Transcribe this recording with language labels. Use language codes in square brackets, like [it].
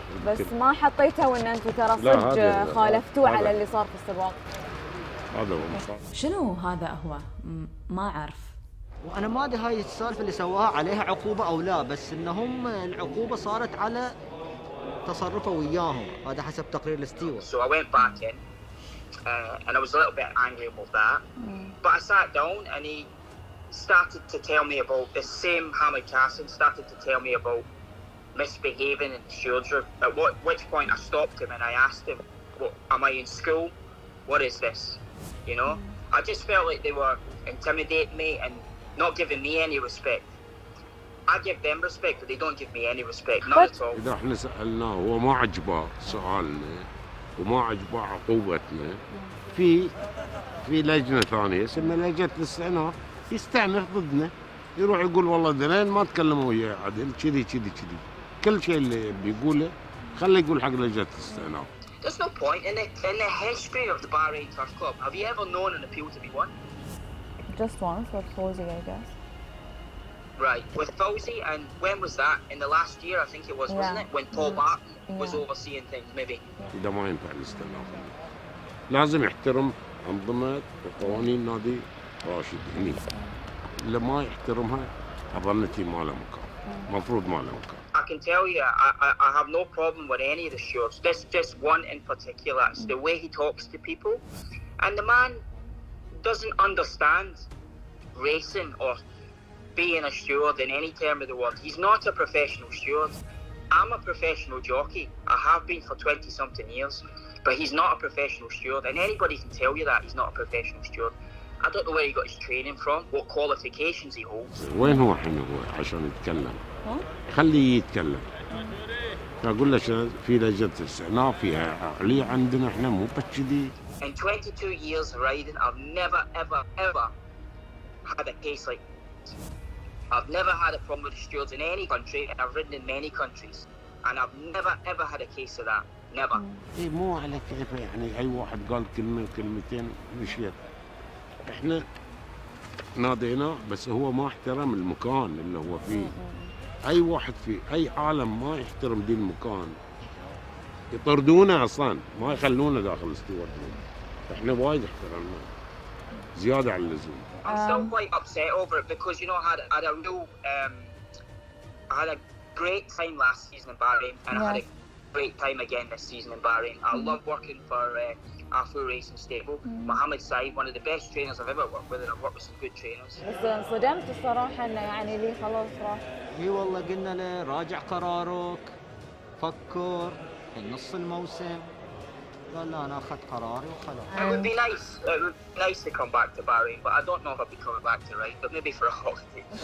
[ar] بس ما حطيته وإن أنت ترى صدق خالفتوه على اللي صار في السباق. شنو هذا هو؟ ما أعرف. وأنا ما أدري هاي السالفة اللي سواها عليها عقوبة أو لا، بس إنهم العقوبة صارت على تصرفه وياهم، هذا حسب تقرير الستيوارد. [en] So I went back in and I was a little bit angry about that. But I sat down and he started to tell me about the same Hamid Qasim started to tell me about misbehaving in children. At which point I stopped him and I asked him, "What am I in school? What is this?" You know, I just felt like they were intimidating me and not giving me any respect. I give them respect, but they don't give me any respect, not at all. [ar] إذا إحنا سألناه هو ما عجبه سؤالنا وما عجبه عقوبتنا، في لجنة ثانية اسمها لجنة الاستئناف يستأنف ضدنا، يروح يقول والله دلين ما تكلموا وياه عدل كذي كذي كذي، كل شيء اللي بيقوله خلي يقول حق لجنة الاستئناف. [en] There's no point in the history of the Bahrain Turf Club. Have you ever known an appeal to be won? Just once, but closing, I guess. Right, with Fawzi, and when was that? In the last year, I think it was, wasn't it? When Paul Barton was overseeing things, maybe. [ar] ده ما ينفع الاستمرار. لازم يحترم أنظمة وقوانين نادي راشد هني. اللي ما يحترمها أظنتي ما له مكان. مفروض ما له مكان. [en] I can tell you, I have no problem with any of the shorts. This one in particular, it's the way he talks to people. And the man doesn't understand racing or being a steward in any term of the word. He's not a professional steward. I'm a professional jockey. I have been for 20-something years. But he's not a professional steward. And anybody can tell you that he's not a professional steward. I don't know where he got his training from, what qualifications he holds. Where is he now to speak? [ar] خليه يتكلم. أقول له في لجنة استئناف فيها عليا عندنا إحنا مو بتشدي. [en] In 22 years riding, I've never ever ever had a case like this. I've never had a problem with stewards in any country, and I've ridden in many countries, and I've never ever had a case of that. Never. [ar] إيه مو على كيف يعني أي واحد قال كلمة كلمتين مشيت. إحنا نادينا بس هو ما احترم المكان اللي هو فيه. اي واحد في اي عالم ما يحترم دي المكان يطردونه اصلا ما يخلونه داخل الاستوارد احنا وايد احترمنا زياده عن اللزوم. [en] I'm still quite upset over it because you know I had a real I had a great time last season in Bahrain and yes. I had a great time again this season in Bahrain. I love working for Afu Racing Stable. Mohammed Saeed, one of the best trainers I've ever worked with, and I've worked with some good trainers. [ar] انصدمت الصراحه انه يعني لي خلاص راح. اي والله قلنا له راجع قرارك فكر نص الموسم قال لا انا اخذ قراري وخلاص. [en] It would be nice. It would be nice to come back to Bahrain, but I don't know if I'll be coming back to ride, but maybe for a holiday.